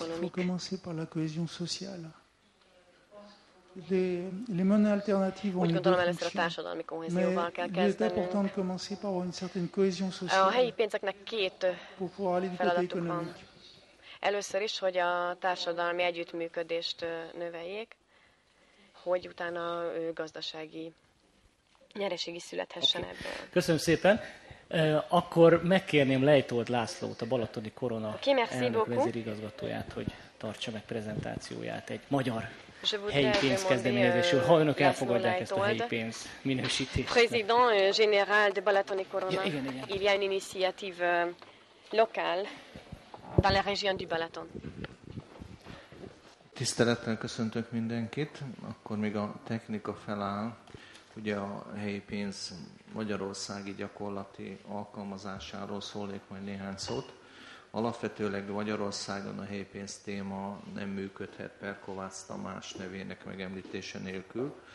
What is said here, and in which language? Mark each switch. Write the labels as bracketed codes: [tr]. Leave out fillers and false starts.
[fr] faut commencer par la cohésion sociale. Les monnaies alternatives ont deux fonctions, mais il est important de commencer par une certaine cohésion sociale pour pouvoir aller du côté économique. [hu] Először is, hogy a társadalmi együttműködést növeljék, hogy utána gazdasági nyereség is születhessen ebből. Köszönöm szépen. Akkor megkérném Leitold Lászlót, a Balatoni Korona elnök vezérigazgatóját, hogy tartsa meg prezentációját egy magyar helyi pénz kezdeményezésről, ha önök elfogadják ezt a helyi pénz minősítést. [fr] Président général de Balatoni Corona, il y a une initiative locale dans la région du Balaton. [hu] Tisztelettel köszöntök mindenkit, akkor még a technika feláll, ugye a helyi pénz magyarországi gyakorlati alkalmazásáról szólnék majd néhány szót. Alapvetőleg Magyarországon a helypénz téma nem működhet per Kovács Tamás nevének megemlítése nélkül.